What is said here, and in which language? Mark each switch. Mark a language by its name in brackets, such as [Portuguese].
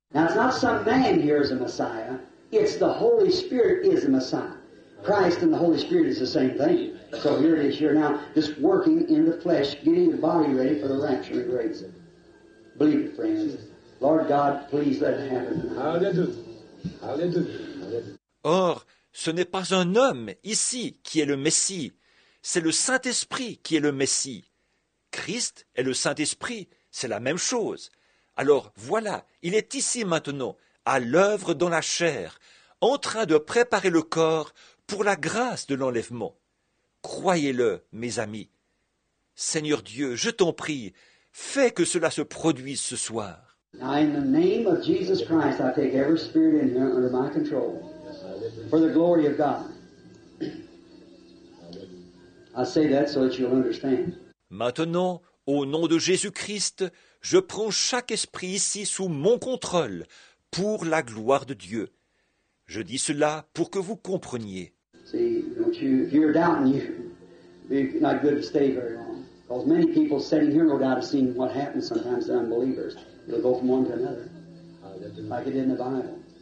[English] Now it's not some man here is a Messiah. It's the Holy Spirit is a Messiah. Christ and the Holy Spirit is the same thing. So here it is here now, just working in the flesh, getting the body ready for the rapture and grace. Believe it, friends. Lord God, please let it happen. Hallelujah. Hallelujah. [French] Or, ce n'est pas un homme ici qui est le Messie. C'est le Saint-Esprit qui est le Messie. Christ est le Saint-Esprit. C'est la même chose. Alors voilà, il est ici maintenant, à l'œuvre dans la chair, en train de préparer le corps pour la grâce de l'enlèvement. Croyez-le, mes amis. Seigneur Dieu, je t'en prie, fais que cela se produise ce soir. [English] Now in the name of Jesus Christ, I take every spirit in here under my control for the glory of God. I say that so that you'll understand. [French] Maintenant, au nom de Jésus-Christ, je prends chaque esprit ici sous mon contrôle pour la gloire de Dieu. Je dis cela pour que vous compreniez. [English] See, don't you, if you're doubting, you, it's not good to stay very long. Because many people sitting here, no doubt, have seen what happens sometimes to unbelievers. It'll go from one to another, like it did in the Bible.